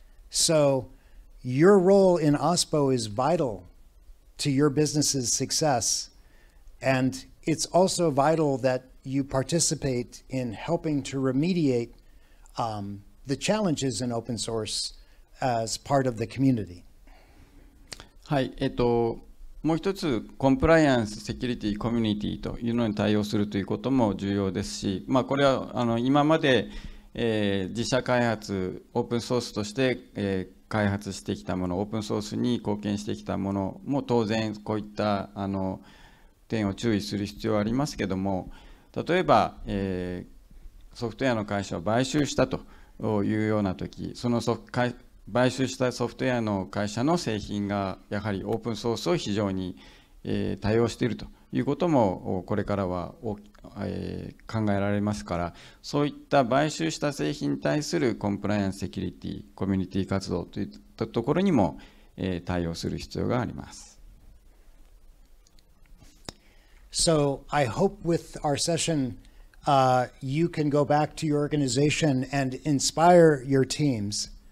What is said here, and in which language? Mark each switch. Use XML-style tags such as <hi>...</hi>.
<en>So your role in OSPO is vital to your business's success. And it's also vital that you participate in helping to remediate the challenges in open source as part of the community.</en> <ja>はい、もう一つコンプライアンスセキュリティコミュニティというのに対応するということも重要ですし、まあ、これは今まで、自社開発オープンソースとして、開発してきたもの、オープンソースに貢献してきたものも当然こういった点を注意する必要はありますけども、例えば、ソフトウェアの会社を買収したというようなとき、その買収したソフトウェアの会社の製品がやはりオープンソースを非常に、多用しているということもこれからは、考えられますから、そういった買収した製品に対するコンプライアンスセキュリティコミュニティ活動といったところにも、対応する必要があります。</ja> <en>So I hope with our session you can go back to your organization and inspire your teamsand</en>